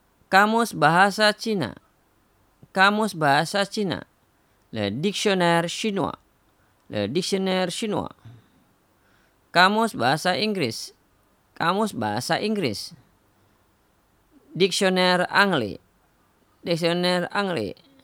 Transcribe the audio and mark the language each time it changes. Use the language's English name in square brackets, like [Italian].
[Indonesian] Kamus bahasa Cina, kamus bahasa Cina. [French] Le dictionnaire chinois. [Indonesian] Kamus bahasa Inggris, kamus bahasa Inggris. [French] Dictionnaire anglais, dictionnaire anglais.